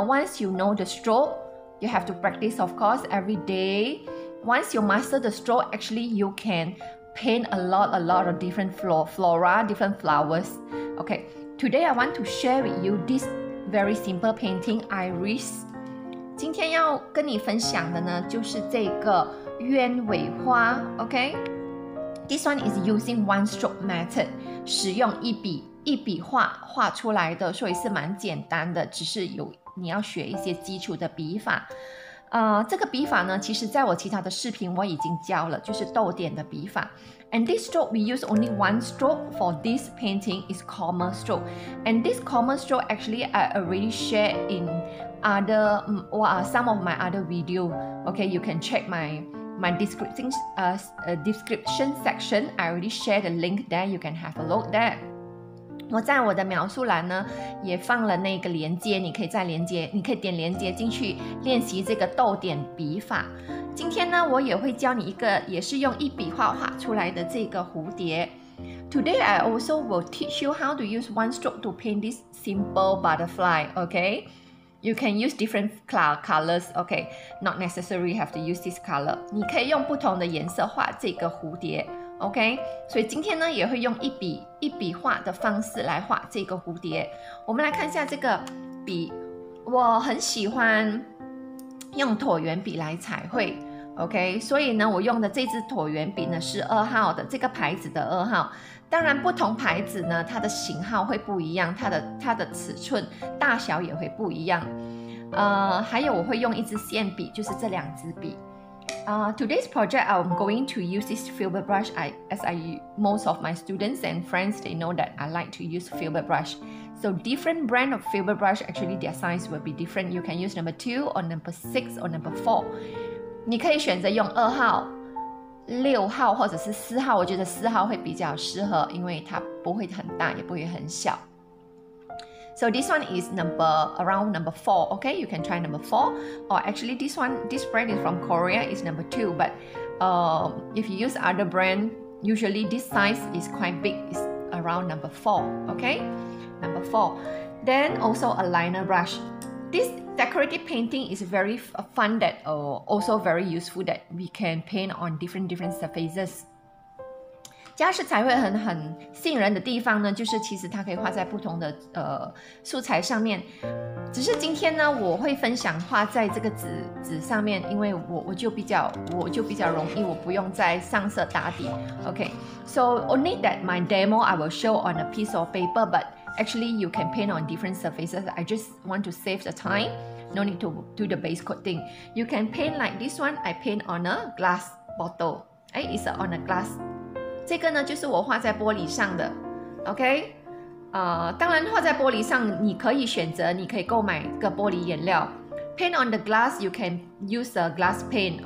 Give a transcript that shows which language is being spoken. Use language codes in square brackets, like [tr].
[en] Once you know the stroke, you have to practice, of course, every day. Once you master the stroke, actually you canpaint a lot of different flora, different flowers. Okay, today I want to share with you this very simple painting, iris. [zh] 今天要跟你分享的呢，就是这个鸢尾花。 [en] Okay, this one is using one stroke method, [zh] 使用一笔画画出来的，所以是蛮简单的，只是有你要学一些基础的笔法。这个笔法呢，其实在我其他的视频我已经教了，就是逗点的笔法。 [en] And this stroke, we use only one stroke for this painting, is comma stroke. And this comma stroke actually I already share in some of my other video. Okay, you can check my description section. I already share the link there, you can have a look there. [zh] 我在我的描述栏呢也放了那个连接，你可以再连接，你可以点连接进去练习这个逗点笔法。今天呢，我也会教你一个也是用一笔画画出来的这个蝴蝶。 [en] Today I also will teach you how to use one stroke to paint this simple butterfly. Okay, you can use different colors. Okay, not necessary have to use this color. [zh] 你可以用不同的颜色画这个蝴蝶。OK, 所以今天呢也会用一笔画的方式来画这个蝴蝶。我们来看一下这个笔，我很喜欢用椭圆笔来彩绘。 OK, 所以呢我用的这支椭圆笔呢是2号的，这个牌子的2号。当然不同牌子呢它的型号会不一样，它的尺寸大小也会不一样。还有我会用一支线笔，就是这两支笔。 [en] Today's project, I'm going to use this filbert brush. Most of my students and friends, they know that I like to use filbert brush. So different brand of filbert brush, actually their size will be different. You can use number 2 or number 6 or number 4. [zh] 你可以选择用2号、6号或者是4号，我觉得4号会比较适合，因为它不会很大也不会很小。 [en] So this one is around number 4, okay? You can try number 4. Or actually this one, this brand is from Korea, is number 2. But if you use other brand, usually this size is quite big. It's around number 4, okay? Number 4. Then also a liner brush. This decorative painting is very fun that also very useful that we can paint on different surfaces. [zh] 家事彩绘很吸引人的地方呢，就是其实它可以画在不同的素材上面。只是今天呢，我会分享画在这个纸上面，因为我就比较容易，我不用再上色打底。 [en] Okay, so only that my demo I will show on a piece of paper, but actually you can paint on different surfaces. I just want to save the time, no need to do the base coating. You can paint like this one. I paint on a glass bottle. It's on a glass. [zh] 这个呢就是我画在玻璃上的 ，OK， 当然画在玻璃上，你可以选择，你可以购买个玻璃颜料。 [en] Paint on the glass, you can use a glass paint.